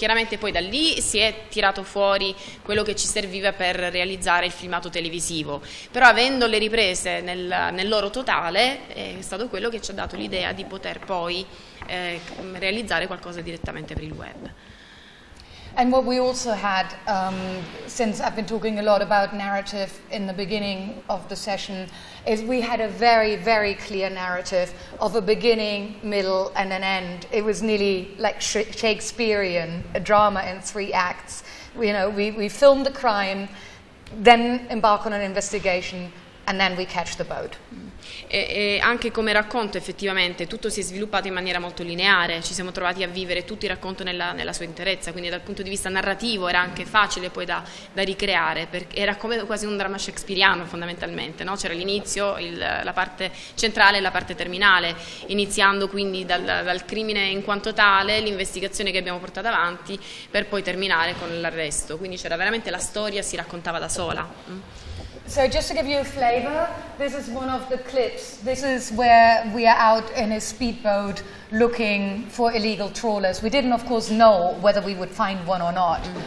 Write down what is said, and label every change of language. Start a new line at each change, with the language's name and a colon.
Italian: Chiaramente poi da lì si è tirato fuori quello che ci serviva per realizzare il filmato televisivo, però avendo le riprese nel loro totale è stato quello che ci ha dato l'idea di poter poi realizzare qualcosa direttamente per il web.
English: And what we also had, since I've been talking a lot about narrative in the beginning of the session, is we had a very, very clear narrative of a beginning, middle, and an end. It was nearly like Shakespearean, a drama in 3 acts. You know, we filmed the crime, then embark on an investigation, and then we catch the boat.
Italian: E anche come racconto effettivamente tutto si è sviluppato in maniera molto lineare, ci siamo trovati a vivere tutto il racconto nella sua interezza, quindi dal punto di vista narrativo era anche facile poi da ricreare, perché era come quasi un dramma shakespeariano fondamentalmente, no? C'era l'inizio, la parte centrale e la parte terminale, iniziando quindi dal crimine in quanto tale, l'investigazione che abbiamo portato avanti, per poi terminare con l'arresto, quindi c'era veramente la storia si raccontava da sola.
English: So just to give you a flavor, this is one of the clips. This is where we are out in a speedboat looking for illegal trawlers. We didn't, of course, know whether we would find one or not.